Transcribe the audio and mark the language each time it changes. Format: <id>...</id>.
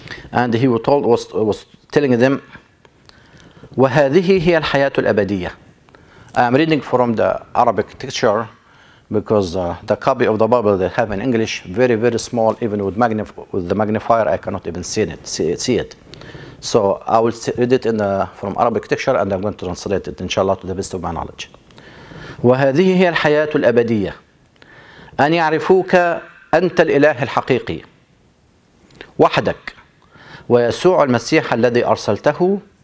<en>And he was telling them,</en> <ar>وهذه هي الحياة الأبدية.</ar> <en>I'm reading from the Arabic texture because the copy of the Bible they have in English very, very small, even with the magnifier, I cannot even see it. So I will read it from Arabic texture and I'm going to translate it, inshallah, to the best of my knowledge.</en> <ar>وهذه هي الحياة الأبدية أن يعرفوك أنت الإله الحقيقي وحدك ويسوع المسيح الذي أرسلته.</ar>